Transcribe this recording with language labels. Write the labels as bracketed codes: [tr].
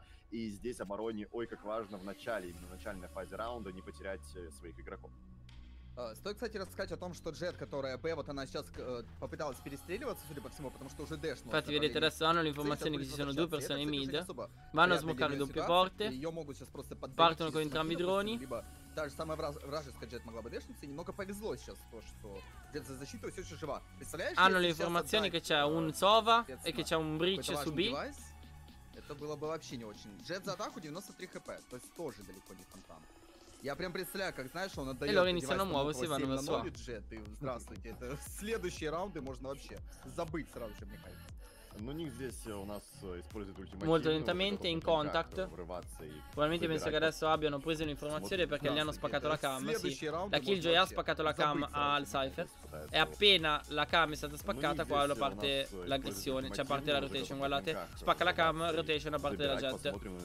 [ru] И здесь обороне, ой, как важно в начале, именно в начальной фазе раунда, не потерять своих игроков. Стоит, кстати, рассказать о том, что Джет, которая Б, вот она сейчас попыталась перестреливаться, судя по всему, потому что уже дэшнула. Кстати, видите, [it] adesso hanno l'informazione che ci sono due persone in mid, vanno a smoccare doppie porte, partono con entrambi i droni. [ru] Та же самая вражеская Джет могла бы дэшниться, немного повезло сейчас то, что Джет за защиту все еще жива. Представляешь? [it] Hanno l'informazione che c'è un Sova e che c'è un Breach su B. [ru] Это было бы вообще не очень. Джет за атаку 93 хп. То есть тоже далеко не фонтан. Я прям представляю, как знаешь, он отдает. Элори не сяну мову, Сиван на ноль Джет. И, здравствуйте. Это следующие раунды можно вообще забыть сразу же, мне кажется. Ну, них здесь у нас используют ультимативную. [it] Molto lentamente, in contact. Probabilmente penso che adesso abbiano preso l'informazione perché gli hanno spaccato la cam. Sì. La Killjoy ha spaccato la cam al Cypher. E appena la cam è stata spaccata, qua parte l'aggressione. Cioè parte la rotation, guardate. Spacca la cam, rotation a parte della Jet.